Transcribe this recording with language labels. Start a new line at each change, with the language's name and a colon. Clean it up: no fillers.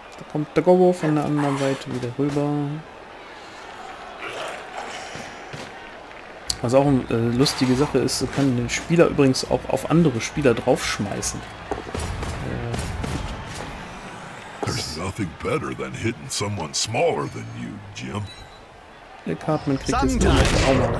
German: Kommt der Gobo von der anderen Seite wieder rüber. Was auch eine lustige Sache ist, kann den Spieler übrigens auch auf andere Spieler draufschmeißen.
English: There's nothing better than hitting someone smaller than you, Jim.
German: Der Cartman kriegt jetzt auch noch.